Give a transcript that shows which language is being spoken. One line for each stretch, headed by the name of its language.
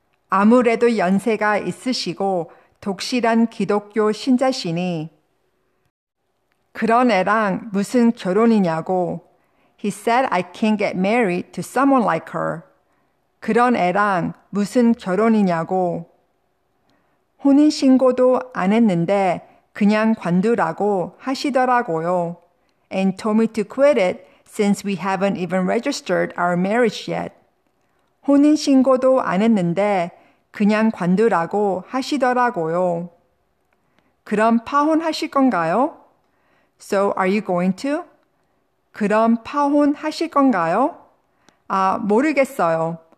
Korean: 아무래도 연세가 있으시고 독실한 기독교 신자시니 그런 애랑 무슨 결혼이냐고.
English: He said I can't get married to someone like her.
Korean: 그런 애랑 무슨 결혼이냐고. 혼인신고도 안 했는데 그냥 관두라고 하시더라고요.
English: And told me to quit it since we haven't even registered our marriage yet.
Korean: 혼인신고도 안 했는데 그냥 관두라고 하시더라고요. 그럼 파혼하실 건가요?
English: So are you going to?
Korean: 그럼 파혼 하실 건가요? 아, 모르겠어요.